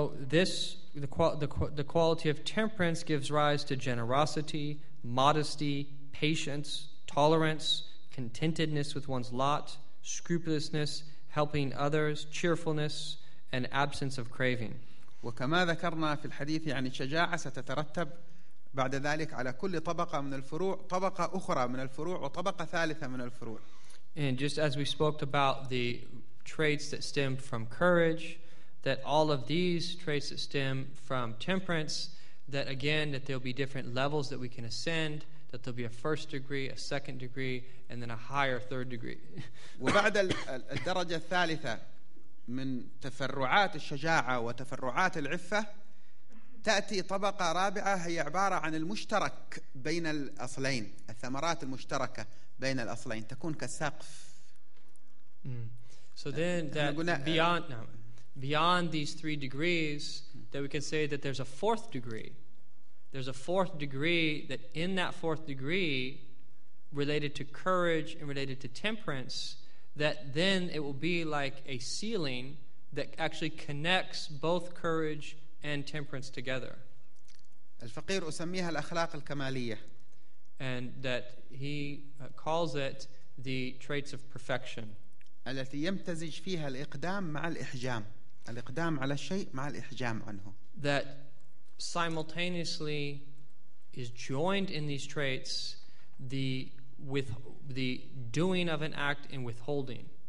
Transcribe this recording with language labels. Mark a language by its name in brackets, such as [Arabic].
[English] So the quality of temperance gives rise to generosity, modesty, patience, tolerance, contentedness with one's lot, scrupulousness, helping others, cheerfulness, and absence of craving. [Arabic] وكما ذكرنا في الحديث عن الشجاعة ستترتب بعد ذلك على كل طبقة من الفروع طبقة أخرى من الفروع وطبقة ثالثة من الفروع. [English] And just as we spoke about the traits that stem from courage, that all of these traits that stem from temperance, that again, that there'll be different levels that we can ascend, that there'll be a first degree, a second degree, and then a higher third degree. [Arabic] وبعد الدرجة الثالثة من تفرعات الشجاعة وتفرعات العفة تأتي طبقة رابعة هي عبارة عن المشترك بين الأصلين الثمرات المشتركة بين الأصلين تكون كالسقف. [English] So then that beyond now. Beyond these three degrees, that we can say that there's a fourth degree. There's a fourth degree that in that fourth degree, related to courage and related to temperance, that then it will be like a ceiling that actually connects both courage and temperance together. [Arabic] الفقير أسميها الأخلاق الكمالية. [English] And that he calls it the traits of perfection. [Arabic] التي يمتزج فيها الإقدام مع الإحجام. الإقدام على الشيء مع الإحجام عنه. [English] That simultaneously is joined in these traits the doing of an act and withholding.